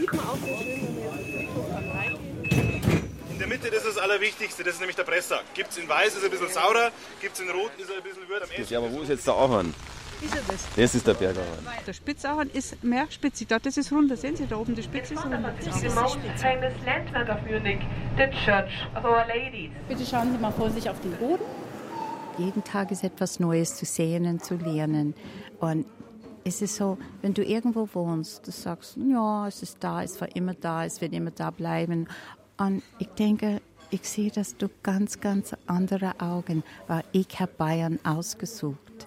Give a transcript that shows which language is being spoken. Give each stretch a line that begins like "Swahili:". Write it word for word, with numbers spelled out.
German: In der Mitte, das ist das Allerwichtigste, das ist nämlich der Presssack. Gibt es in weiß, ist er ein bisschen saurer, gibt es in rot, ist er ein bisschen würd. Am Ende Ja, aber wo ist jetzt der Ahorn? Das ist der Bergahorn. Der Spitzahorn ist mehr spitzig. Da, das ist rund, da sehen Sie da oben, die Spitze ist rund.
English: The most famous landmark of Munich, the Church of Our Ladies.
German: Bitte schauen Sie mal vorsichtig auf den Boden. Jeden Tag ist etwas Neues zu sehen und zu lernen. Und es ist so, wenn du irgendwo wohnst, du sagst, ja, es ist da, es war immer da, es wird immer da bleiben. Und ich denke, ich sehe das durch ganz, ganz andere Augen, weil ich habe Bayern ausgesucht.